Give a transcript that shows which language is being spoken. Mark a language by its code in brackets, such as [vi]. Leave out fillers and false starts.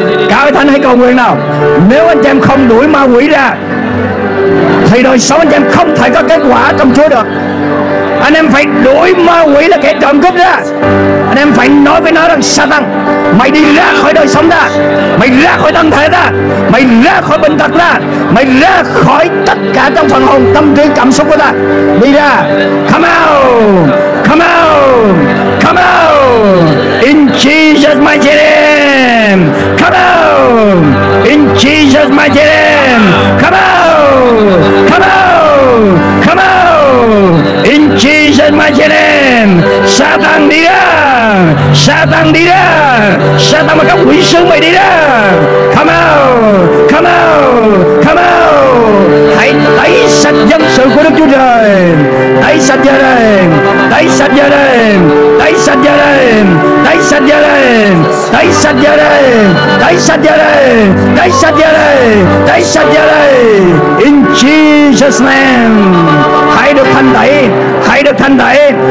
[vi] Cả hội thánh hãy cầu nguyện nào. Nếu anh em không đuổi ma quỷ ra thì đời sống anh em không thể có kết quả trong Chúa được. Anh em phải đuổi ma quỷ là kẻ trộm cướp ra. Anh em phải nói với nó rằng Satan, mày đi ra khỏi đời sống ra, mày ra khỏi thân thể ra, mày ra khỏi bệnh tật ra, mày ra khỏi tất cả trong phần hồn, tâm trí, cảm xúc của ta. Đi ra. [en] Come out, come out, come out in Jesus mighty name. Come out in Jesus mighty name. Come out, come out, come out in Jesus mighty name. [vi] Satan đi ra, Satan đi ra, Satan mà các quỷ sứ mày đi ra. [en] Come out, come out, come out. [vi] Hãy tẩy sạch dân sự của Đức Chúa Trời, tẩy sạch giờ đây, tẩy sạch giờ đây, tẩy sạch giờ đây, tẩy sạch giờ đây, tẩy sạch giờ đây, tẩy sạch giờ đây, tẩy sạch giờ đây, tẩy sạch giờ đây. [en] In Jesus name, [vi] hãy được thanh tẩy, hãy được thanh tẩy.